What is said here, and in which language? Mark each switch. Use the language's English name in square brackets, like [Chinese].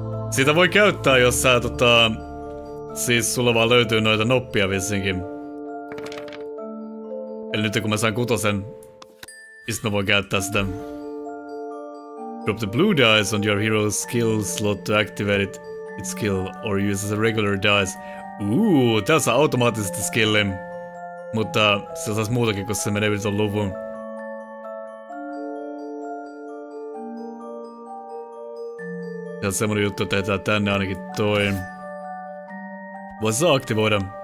[Finnish] Sitä voi käyttää, jos sä tota... Siis sulla vaan löytyy noita noppia vissinkin. Eli nyt kun mä saan kutosen, mistä mä voin käyttää sitä. [English] Drop the blue dice on your hero's skill slot to activate it, its skill, or use as a regular dice. [Finnish] Tää saa automaattisesti skillin. Mutta se saisi muutakin, koska se menee yli ton luvun. Ja semmonen juttu, että tehdään tänne ainakin toi. Voi se aktivoida.